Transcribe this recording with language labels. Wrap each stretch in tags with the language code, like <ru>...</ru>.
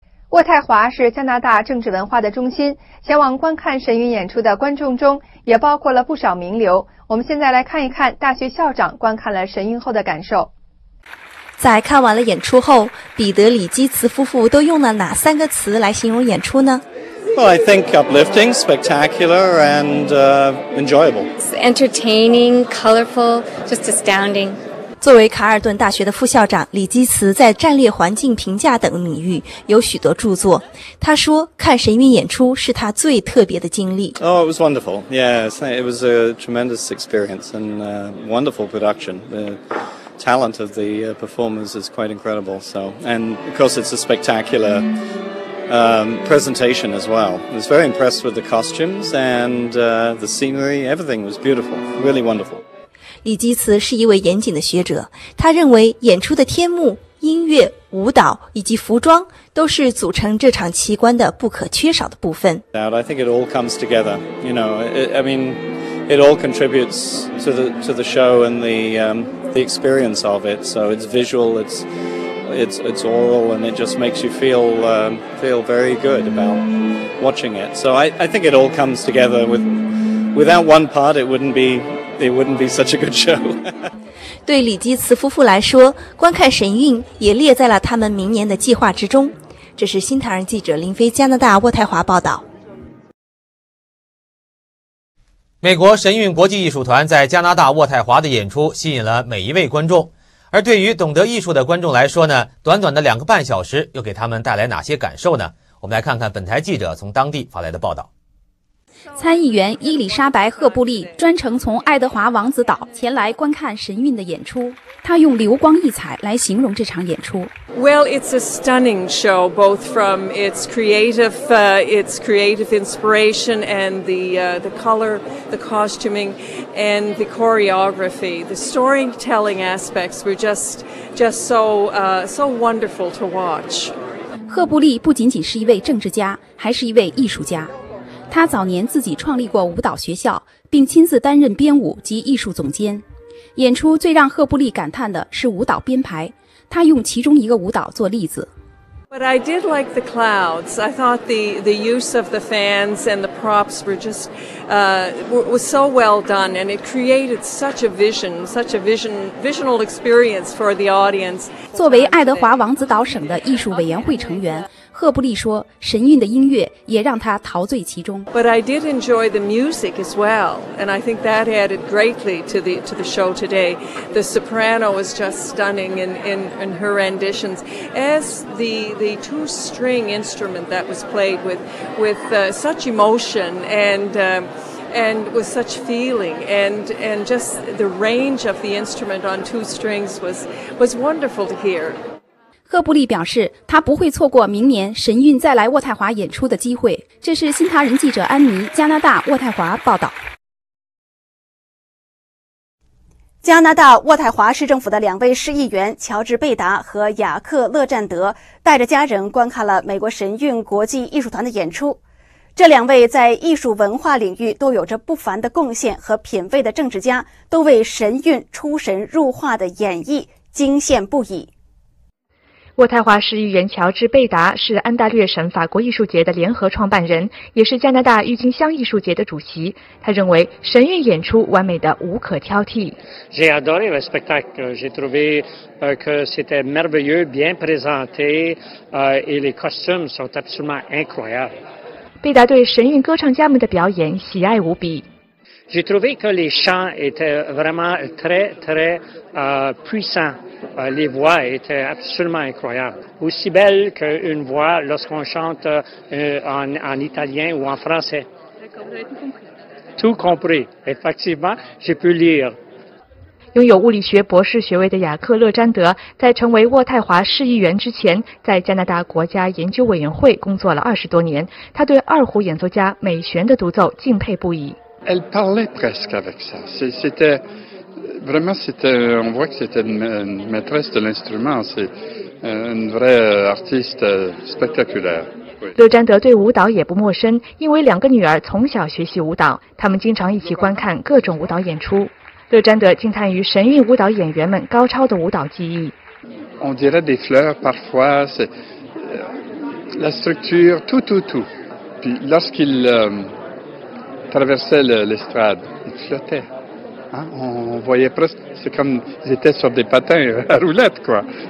<zh>渥太华是加拿大政治文化的中心，前往观看神韵演出的观众中也包括了不少名流。我们现在来看一看大学校长观看了神韵后的感受。在看完了演出后，彼得·里基茨夫妇都用了哪三个词来形容演出呢？</zh> <en>Well, I think uplifting, spectacular, and enjoyable. It's entertaining, colorful, just astounding.</en> <zh>作为卡尔顿大学的副校长，李基茨在战略环境评价等领域有许多著作。他说，看神韵演出是他最特别的经历。</zh> <en>Oh, it was wonderful. Yes, it was a tremendous experience and a wonderful production. The talent of the performers is quite incredible. So, and of course, it's a spectacular. Presentation as well. I was very impressed with the costumes and the scenery. Everything was beautiful, really wonderful.</en> <zh>李基茨是一位严谨的学者，他认为演出的天幕、音乐、舞蹈以及服装都是组成这场奇观的不可缺少的部分。</zh> <en>I think it all comes together. You know, it all contributes to the show and the experience of it. So it's visual. It's oral and it just makes you feel very good about watching it. So I think it all comes together. Without one part, it wouldn't be such a good show.</en> <zh>对李基茨夫妇来说，观看神韵也列在了他们明年的计划之中。这是新唐人记者林飞，加拿大渥太华报道。美国神韵国际艺术团在加拿大渥太华的演出吸引了每一位观众。而对于懂得艺术的观众来说呢，短短的2.5小时又给他们带来哪些感受呢？我们来看看本台记者从当地发来的报道。参议员伊丽莎白·赫布利专程从爱德华王子岛前来观看神韵的演出，她用流光溢彩来形容这场演出。</zh> <en>Well, it's a stunning show, both from its creative inspiration and the color, the costuming, and the choreography. The storytelling aspects were just so wonderful to watch.</en> <zh>赫布利不仅仅是一位政治家，还是一位艺术家。他早年自己创立过舞蹈学校，并亲自担任编舞及艺术总监。演出最让赫布利感叹的是舞蹈编排，他用其中一个舞蹈做例子。</zh> <en>But I did like the clouds. I thought the use of the fans and the props were just was so well done, and it created such a visual experience for the audience.</en> <zh>作为爱德华王子岛省的艺术委员会成员。赫布利说，神韵的音乐也让他陶醉其中。</zh> <en>But I did enjoy the music as well, and I think that added greatly to the show today. The soprano was just stunning in her renditions, as the two string instrument that was played with such emotion and with such feeling, and just the range of the instrument on two strings was wonderful to hear.</en> <zh>赫布利表示，他不会错过明年神韵再来渥太华演出的机会。这是新唐人记者安妮，加拿大渥太华报道。加拿大渥太华市政府的两位市议员乔治·贝达和雅克·勒占德带着家人观看了美国神韵国际艺术团的演出。这两位在艺术文化领域都有着不凡的贡献和品味的政治家，都为神韵出神入化的演绎惊羡不已。渥太华市议员乔治·贝达是安大略省法国艺术节的联合创办人，也是加拿大郁金香艺术节的主席。他认为神韵演出完美的无可挑剔。</zh> <fr>J'ai adoré le spectacle. J'ai trouvé que c'était merveilleux, bien présenté, et les costumes sont absolument incroyables.</fr> <zh>贝达对神韵歌唱家们的表演喜爱无比。</zh> <fr>J'ai trouvé que les chants étaient vraiment très, très, puissants. Les voix étaient absolument incroyables. Aussi belles qu'une voix lorsqu'on chante en italien ou en français. D'accord, vous avez tout compris. Tout compris. Effectivement, j'ai pu lire.</fr> <zh>拥有物理学博士学位的雅克·勒占德在成为渥太华市议员之前，在加拿大国家研究委员会工作了20多年。他对二胡演奏家美璇的独奏敬佩不已。</zh> <fr>Elle parlait presque avec ça. C'était vraiment, on voit que c'était une maîtresse de l'instrument. C'est une vraie artiste spectaculaire.</fr> <zh>勒占德对舞蹈也不陌生，因为两个女儿从小学习舞蹈，他们经常一起观看各种舞蹈演出。勒占德惊叹于神韵舞蹈演员们高超的舞蹈技艺。</zh> <fr>On dirait des fleurs parfois, c'est la structure, tout, tout, tout. Puis lorsqu'il traversait l'estrade, il flottait. On voyait presque, c'est comme ils étaient sur des patins à roulettes, quoi.</fr>